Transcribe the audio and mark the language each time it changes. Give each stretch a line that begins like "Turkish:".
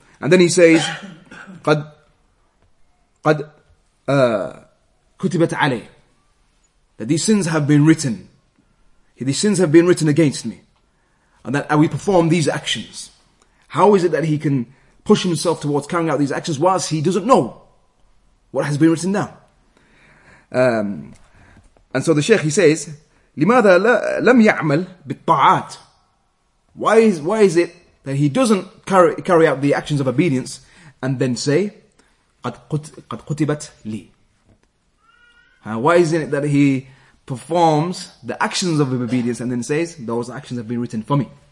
English: And then he says,
Arabic: قَدْ كُتِبَتْ عَلَيْهِ,
English: that these sins have been written. These sins have been written against me. And that we perform these actions. How is it that he can push himself towards carrying out these actions whilst he doesn't know what has been written down? And so the Shaykh, he says,
Arabic: لماذا لم يعمل بالطاعات?
English: Why is it that he doesn't carry out the actions of obedience and then say,
Arabic: قد قتبت لي?
English: Why is it that he performs the actions of obedience and then says, those actions have been written for me?